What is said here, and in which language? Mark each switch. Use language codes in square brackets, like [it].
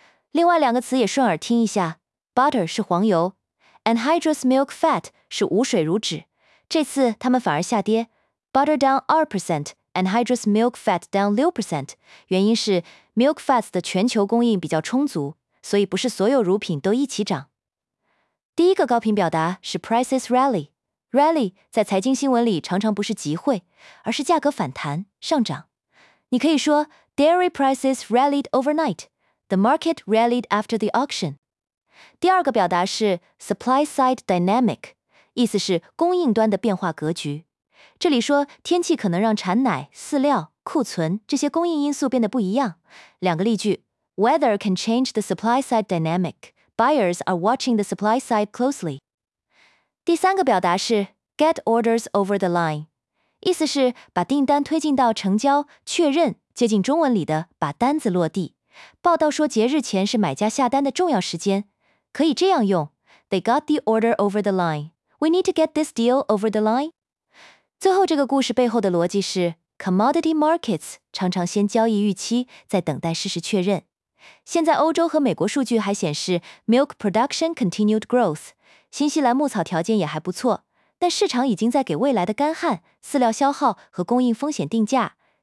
[zh] 另外两个词也顺耳听一下， butter 是黄油， anhydrous milk fat 是无水乳脂，这次它们反而下跌， butter down 2%， anhydrous milk fat down 6%，原因是 milk fats 的全球供应比较充足，所以不是所有乳品都一起涨。第一个高频表达是 prices rally。Rally 在财经新闻里常常不是集会，而是价格反弹上涨。 [en] 你可以说 Dairy prices rallied overnight. The market rallied after the auction. [zh] 第二个表达是 supply side dynamic， 意思是供应端的变化格局。这里说天气可能让产奶、饲料、库存这些供应因素变得不一样。 [en] 两个例句： Weather can change the supply side dynamic. Buyers are watching the supply side closely. [zh] 第三个表达是 get orders over the line， 意思是把订单推进到成交、确认，接近中文里的把单子落地。报道说节日前是买家下单的重要时间，可以这样用： They got the order over the line. [en] We need to get this deal over the line. [zh] 最后这个故事背后的逻辑是 commodity markets 常常先交易预期，再等待事实确认。现在欧洲和美国数据还显示 milk production continued growth，新西兰牧草条件也还不错，但市场已经在给未来的干旱、饲料消耗和供应风险定价。